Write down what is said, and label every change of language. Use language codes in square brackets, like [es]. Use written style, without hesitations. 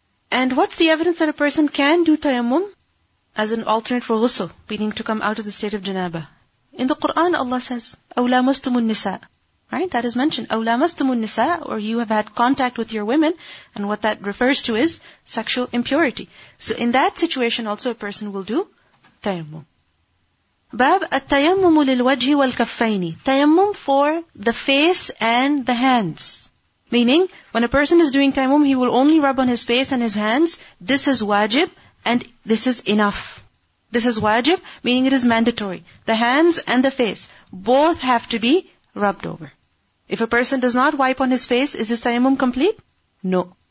[en] And what's the evidence that a person can do tayammum as an alternate for ghusl, meaning to come out of the state of janaba? In the Quran, Allah says, [ar] أَوْلَامَسْتُمُ النِّسَاءِ. [en] Right, that is mentioned. [ar] أَوْ لَامَسْتُمُ النِّسَاءِ, [en] or you have had contact with your women, and what that refers to is sexual impurity. So in that situation also a person will do tayammum. [ar] باب التيمم للوجه والكفين. [en] Tayammum for the face and the hands. Meaning, when a person is doing tayammum, he will only rub on his face and his hands. This is wajib, and this is enough. This is wajib, meaning it is mandatory. The hands and the face, both have to be rubbed over. If a person does not wipe on his face, is his tayammum complete? No.